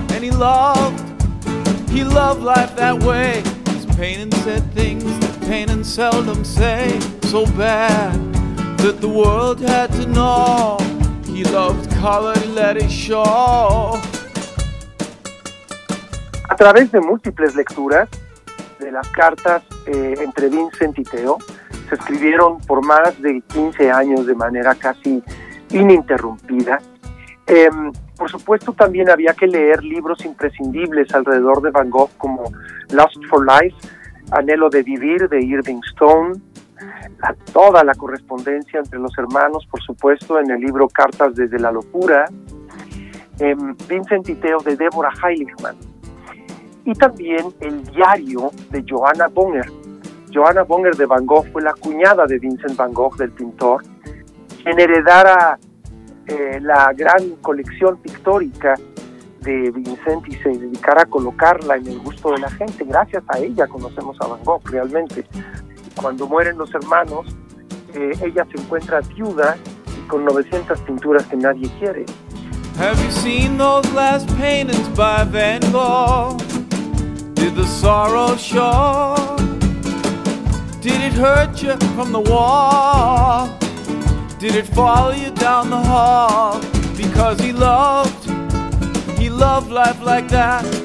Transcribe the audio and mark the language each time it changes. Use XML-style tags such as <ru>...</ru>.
<en>And he loved life that way. His paintings said things that paintings seldom say. So bad that the world had to know, he loved color, let it show.</en> <es>A través de múltiples lecturas, de las cartas entre Vincent y Theo se escribieron por más de 15 años de manera casi ininterrumpida. Por supuesto, también había que leer libros imprescindibles alrededor de Van Gogh como Lust for Life, Anhelo de Vivir, de Irving Stone, toda la correspondencia entre los hermanos, por supuesto, en el libro Cartas desde la Locura, Vincent y Theo de Deborah Heiligman, y también el diario de Johanna Bonger. Johanna Bonger de Van Gogh fue la cuñada de Vincent Van Gogh, del pintor, quien heredara la gran colección pictórica de Vincent y se dedicara a colocarla en el gusto de la gente. Gracias a ella conocemos a Van Gogh realmente. Cuando mueren los hermanos, ella se encuentra viuda y con 900 pinturas que nadie quiere.</es> <en>Have you seen those last paintings by Van Gogh? Did the sorrow show? Did it hurt you from the wall? Did it follow you down the hall? Because he loved life like that.</en>